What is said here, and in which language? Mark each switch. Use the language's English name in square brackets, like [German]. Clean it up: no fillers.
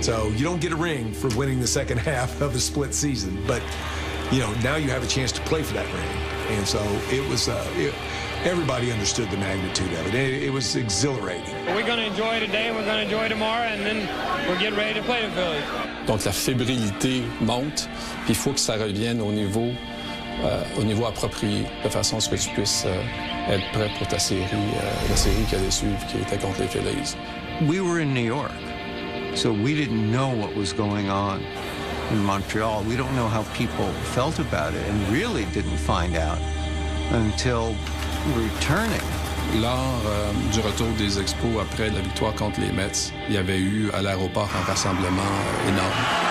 [English] So you don't get a ring for winning the second half of a split season, but you know, now you have a chance to play for that ring. And so it was, everybody understood the magnitude of it. It was exhilarating. We're gonna enjoy today, we're gonna enjoy tomorrow, and then we're getting ready to play the Phillies. [French] Donc la fébrilité monte, puis il faut que ça revienne au niveau approprié, de façon à ce que tu puisses être prêt pour ta série, la série qui allait suivre, qui était contre les Phillies. [English] We were in New York, so we didn't know what was going on in Montreal. We don't know how people felt about it, and really didn't find out until returning. [French] Lors du retour des Expos après la victoire contre les Mets, il y avait eu à l'aéroport un rassemblement énorme.